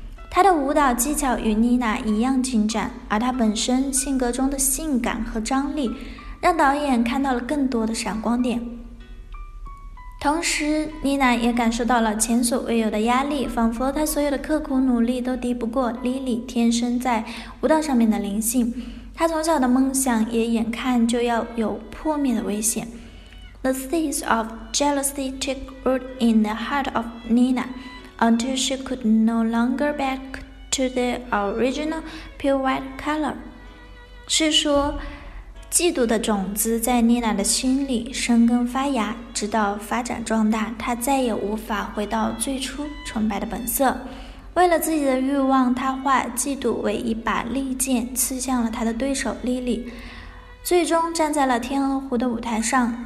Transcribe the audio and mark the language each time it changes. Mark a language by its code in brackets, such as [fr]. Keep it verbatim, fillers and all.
[zh] 她的舞蹈技巧与妮娜一样精湛，而她本身性格中的性感和张力让导演看到了更多的闪光点。同时，妮娜也感受到了前所未有的压力，仿佛她所有的刻苦努力都敌不过 Lily 天生在舞蹈上面的灵性。她从小的梦想也眼看就要有破灭的危险。 [en] The seeds of jealousy took root in the heart of Nina until she could no longer back to the original pure white color. [zh] 是说嫉妒的种子在妮娜的心里生根发芽，直到发展壮大，她再也无法回到最初纯白的本色。为了自己的欲望，她化嫉妒为一把利剑，刺向了她的对手莉莉，最终站在了天鹅湖的舞台上。